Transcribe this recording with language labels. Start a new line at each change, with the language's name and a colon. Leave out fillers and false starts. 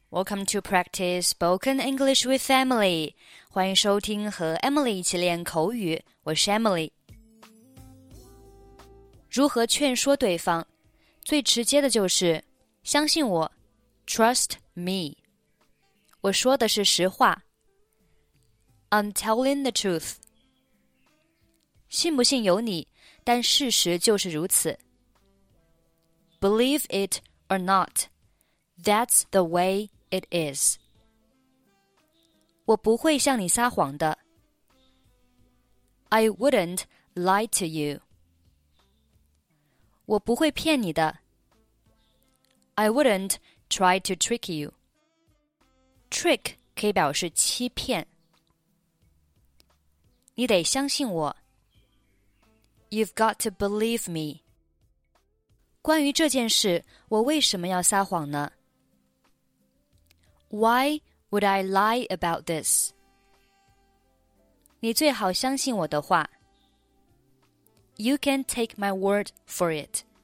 English: Welcome to Practice Spoken English with Emily.
Chinese: 欢迎收听和 Emily 一起练口语。我是 Emily。如何劝说对方？最直接的就是，相信我 ,
English: Trust me.
Chinese: 我说的是实话。
English: I'm telling the truth.
Chinese: 信不信由你，但事实就是如此。
English: Believe it or not. That's the way it is.
Chinese: 我不会向你撒谎的。
English: I wouldn't lie to you.
Chinese: 我不会骗你的。
English: I wouldn't try to trick you.
Chinese: Trick 可以表示欺骗。你得相信我。
English: You've got to believe me.
Chinese: 关于这件事，我为什么要撒谎呢？
English: Why would I lie about this?
Chinese: 你最好相信我的话。
English: You can take my word for it.